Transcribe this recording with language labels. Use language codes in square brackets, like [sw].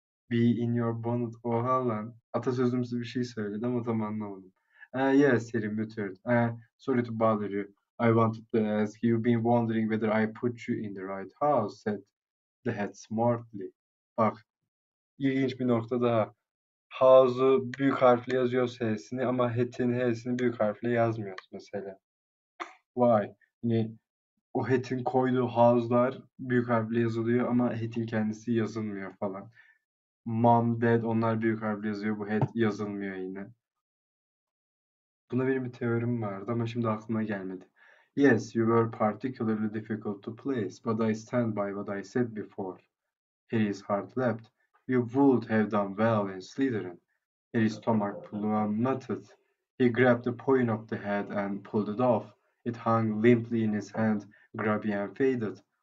[en] "Be in your bonnet, [tr] oha lan." Atasözümüzü bir şey söyledi ama tam anlamadım. [en] Yes, Harry muttered. Sorry to bother you. I wanted to ask, you've been wondering whether I put you in the right house, said the hat smartly. [tr] Bak, ilginç bir nokta daha. House'u büyük harfle yazıyor H'sini ama hat'in H'sini büyük harfle yazmıyor mesela. Vay. Yani o hat'in koyduğu house'lar büyük harfle yazılıyor ama hat'in kendisi yazılmıyor falan. Mom, dad onlar büyük harfle yazıyor. Bu hat yazılmıyor yine. Buna benim bir teorim vardı ama şimdi aklıma gelmedi. [en] Yes, you were particularly difficult to place, but I stand by what I said before. Harry's heart leapt. You would have done well in Slytherin. His stomach plummeted. He grabbed the point of the hat and pulled it off. It hung limply in his hand, grubby and faded.